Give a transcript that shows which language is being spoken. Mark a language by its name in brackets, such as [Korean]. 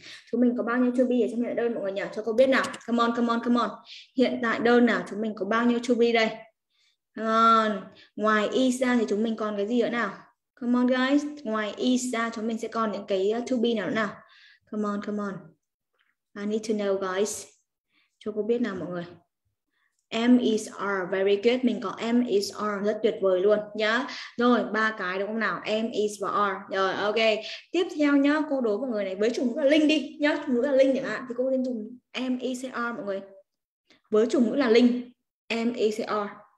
[Vietnamese] Chúng mình có bao nhiêu to be ở trong hiện tại đơn mọi người nhỉ? Cho cô biết nào. [English] Come on, come on, come on. [Vietnamese] Hiện tại đơn nào chúng mình có bao nhiêu to be đây? Còn ngoài is ra thì chúng mình còn cái gì nữa nào? [English] Come on guys, [Vietnamese] ngoài is ra chúng mình sẽ còn những cái to be nào nữa nào? [English] Come on, come on. I need to know guys. [Vietnamese] Cho cô biết nào mọi người. [English] Am is are, very good. [Vietnamese] Mình có am is are rất tuyệt vời luôn nhá. Rồi, ba cái đúng không nào? Am is và are. Rồi, ok. Tiếp theo nhá, cô đố mọi người này với chủ ngữ là link đi nhá. Chủ ngữ là link chẳng hạn thì cô nên dùng am is are mọi người. Với chủ ngữ là link, am is are.